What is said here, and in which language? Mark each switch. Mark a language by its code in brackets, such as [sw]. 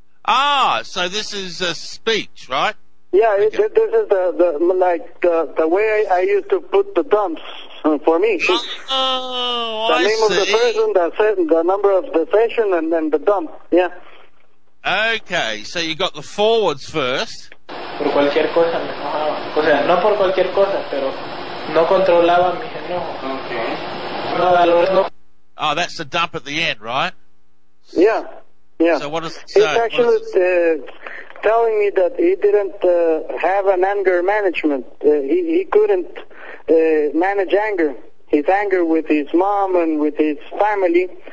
[en] Ah, so this is a speech, right? Yeah, okay. This is the way I used to put the dumps for me. Oh, I see. The name of the person, the number of the session, and then the dump, yeah. Okay, so you got the forwards first. [es] Por cualquier cosa me enojaba. O sea, no por cualquier cosa, pero no controlaba mi enojo. [en] Okay. No, no. Oh, that's the dump at the end, right? Yeah, yeah. So what is it saying? He's actually telling me that he didn't have an anger management. He couldn't manage anger. His anger with his mom and with his family.